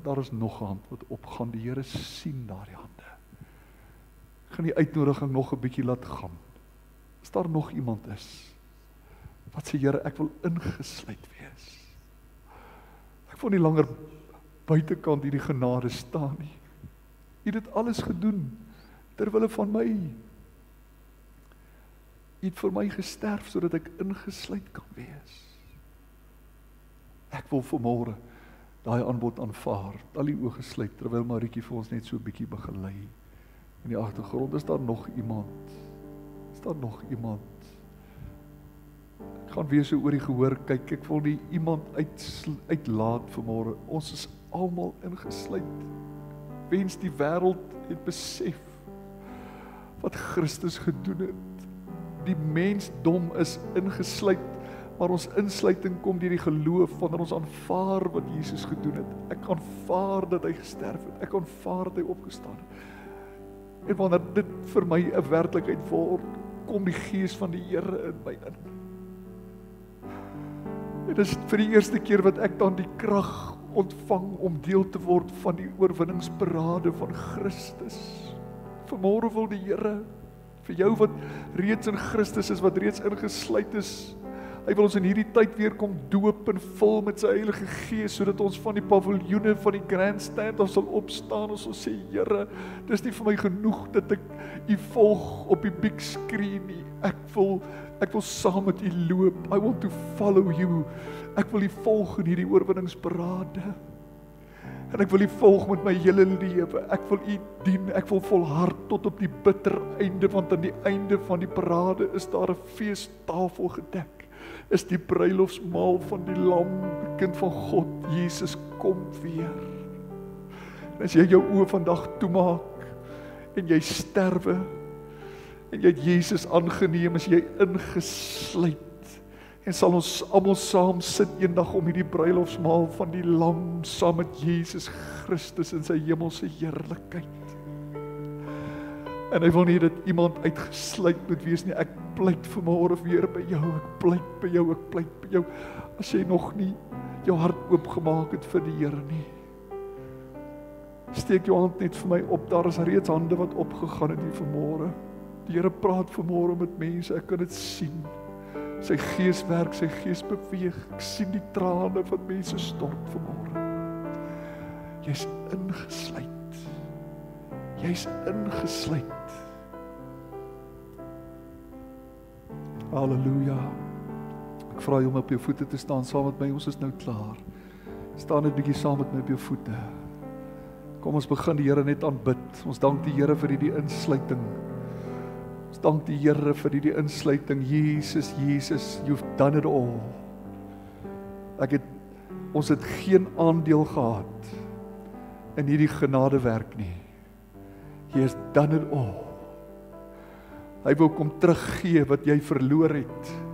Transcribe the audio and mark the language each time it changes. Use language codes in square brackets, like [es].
[af] Daar is nog hand wat opgaan. Die Here sien daardie hande. Ek gaan die uitnodiging nog 'n bietjie laat gaan. As daar nog iemand is wat sê: Here, ek wil ingesluit wees. Ek wil nie langer buitekant hierdie genade staan nie. U het dit alles gedoen ter wille van my. U het vir my gesterf sodat ek ingesluit kan wees. Ek wil vanmôre daai aanbod aanvaar. Al die oë gesluit terwyl Marietjie vir ons net so 'n bietjie begelei. In die agtergrond is daar nog iemand. Is daar nog iemand? Ek gaan weer so oor die gehoor kyk. Ek wil nie iemand uitlaat vanmôre. Ons is almal ingesluit. Wens die wêreld het besef wat Christus gedoen het. Die mensdom is ingesluit, maar ons insluiting kom deur die geloof, wanneer ons aanvaar wat Jesus gedoen het. Ek aanvaar dat hy gesterf het. Ek aanvaar dat hy opgestaan het. En wanneer dit vir my 'n werklikheid word, kom die Gees van die Here in my in. Dit is vir die eerste keer wat ek dan die krag ontvang om deel te word van die oorwinningsparade van Christus. Vanmôre wil die Here vir jou wat reeds in Christus is, wat reeds ingesluit is, hy wil ons in hierdie tyd weer kom doop en vul met sy Heilige Gees, sodat ons van die paviljoene van die grandstand ons sal opstaan. Ons sal sê: Here, dis nie vir my genoeg dat ek u volg op die big screen nie. Ek wil saam met u loop. [en] I want to follow you. [af] Ek wil u volg in hierdie oorwinningsparade. En ek wil u volg met my hele lewe. Ek wil u dien. Ek wil volhard tot op die bitter einde, want aan die einde van die parade is daar 'n feestafel gedek. Is die bruilofsmaal van die Lam, die kind van God, Jesus, kom weer. En as jy jou oë vandag toemaak en jy sterwe en jy het Jesus aangeneem, as jy ingesluit, en sal ons almal saam sit eendag om hierdie bruilofsmaal van die Lam saam met Jesus Christus in sy hemelse heerlikheid En hy wil nie dat iemand uitgesluit moet wees nie. Ek pleit vanmôre weer by jou. Ek pleit by jou. Ek pleit by jou. As jy nog nie jou hart oopgemaak het vir die Here nie. Steek jou hand net vir my op. Daar is reeds hande wat opgegaan het hier vanmôre. Die Here praat vanmôre met mense. Ek kan het sien. Sy gees werk, sy gees beweeg. Ek sien die trane van mense stort vanmôre. Jy is ingesluit. Jy is ingesluit. Halleluja. Ek vraag jou om op jou voete te staan, saam met my, ons is nou klaar. Sta net bietjie saam met my op jou voete. Kom, ons begin die Here net aanbid. Ons dank die Here vir die insluiting. Ons dank die Here vir die insluiting. [en] Jesus, Jesus, you've done it all. [af] Ons het geen aandeel gehad in hierdie genade werk nie. [en] He has done it all. [af] Hy wil kom teruggee wat jy verloor het.